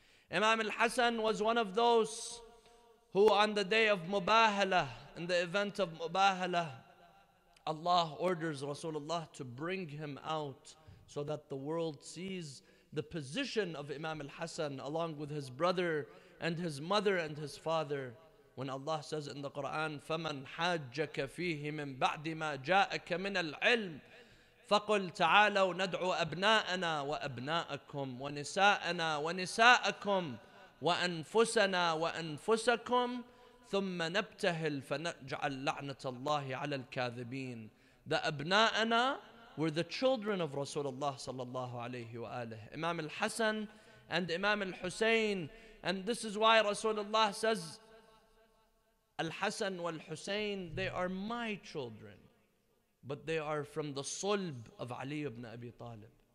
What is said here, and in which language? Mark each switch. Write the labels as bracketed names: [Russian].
[English] Imam al-Hasan was one of those who on the day of Mubahalah, in the event of Mubahalah, Allah orders Rasulullah to bring him out so that the world sees the position of Imam al-Hasan along with his brother and his mother and his father. When Allah says in the Quran, [Arabic] فَمَنْ حَاجَّكَ فِيهِ مِنْ بَعْدِ مَا جَاءَكَ مِنَ الْعِلْمِ فَقُلْ تَعَالَوْ نَدْعُوا أَبْنَاءَنَا وَأَبْنَاءَكُمْ وَنِسَاءَنَا وَنِسَاءَكُمْ وَأَنفُسَنَا وَأَنفُسَكُمْ ثُمَّ نَبْتَهِلْ فَنَجْعَلْ لَعْنَةَ اللَّهِ عَلَى الْكَاذِبِينَ. [English] The أَبْنَاءَنَا were the children of Rasulullah sallallahu alayhi wa alihi, Imam al-Hasan and Imam al-Husayn. And this is why Rasulullah says, al-Hasan wal-Husayn, they are my children, but they are from the sulb of Ali ibn Abi Talib.